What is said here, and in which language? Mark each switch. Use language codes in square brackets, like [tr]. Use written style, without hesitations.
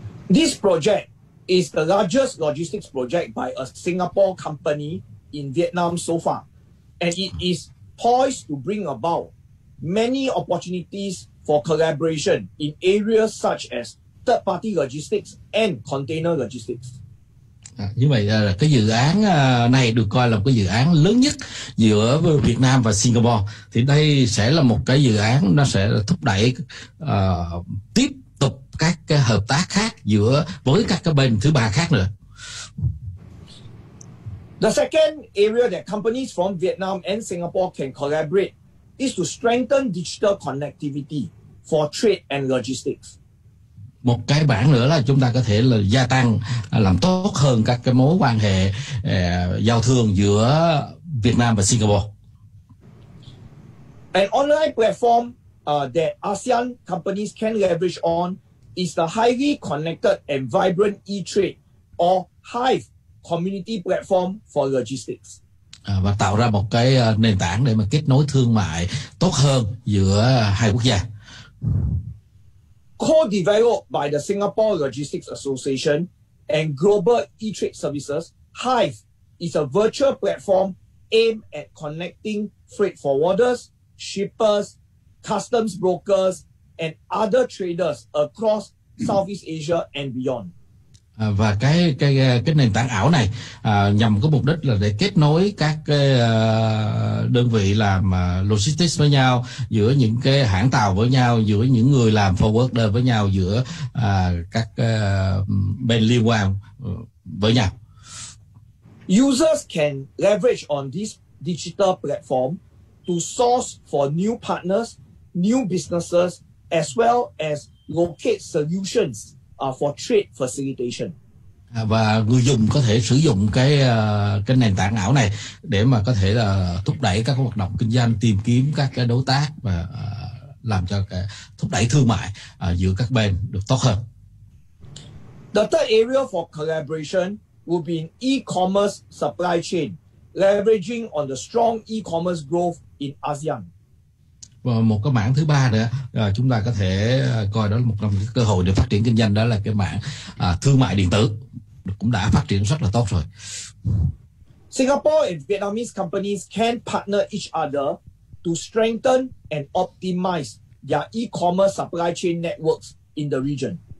[en] This project is the largest logistics project by a Singapore company in Vietnam so far, and it is poised to bring about many opportunities for collaboration in areas such as third party logistics and container logistics. [vi] Như vậy là cái dự án này được coi là một cái dự án lớn nhất giữa Việt Nam và Singapore. Thì đây sẽ là một cái dự án nó sẽ thúc đẩy tiếp tục các cái hợp tác khác giữa với các cái bên thứ ba khác nữa. [en] The second area that companies from Vietnam and Singapore can collaborate is to strengthen digital connectivity for trade and logistics. [vi] Một cái bản nữa là chúng ta có thể là gia tăng làm tốt hơn các cái mối quan hệ giao thương giữa Việt Nam và Singapore. [en] An online platform that ASEAN companies can leverage on is the highly connected and vibrant e-trade or Hive community platform for logistics. [vi] Và tạo ra một cái nền tảng để mà kết nối thương mại tốt hơn giữa hai quốc gia. [en] Co-developed by the Singapore Logistics Association and Global E-Trade Services, Hive is a virtual platform aimed at connecting freight forwarders, shippers, customs brokers, and other traders across Southeast Asia and beyond. [vi] Và cái nền tảng ảo này nhằm có mục đích là để kết nối các cái đơn vị làm logistics với nhau, giữa những cái hãng tàu với nhau, giữa những người làm forwarder với nhau, giữa các bên liên quan với nhau. [en] Users can leverage on this digital platform to source for new partners, new businesses, as well as locate solutions for trade facilitation. [vi] Và người dùng có thể sử dụng cái nền tảng ảo này để mà có thể là thúc đẩy các hoạt động kinh doanh, tìm kiếm các cái đối tác và làm cho cái thúc đẩy thương mại giữa các bên được tốt hơn. [en] The third area for collaboration will be in e-commerce supply chain, leveraging on the strong e-commerce growth in ASEAN. [vi] Và một cái mảng thứ ba nữa, chúng ta có thể coi đó là một trong những cơ hội để phát triển kinh doanh, đó là cái mảng thương mại điện tử cũng đã phát triển rất là tốt rồi. [en] Singapore and Vietnamese companies can partner each other to strengthen and optimize their e-commerce supply chain networks in the region.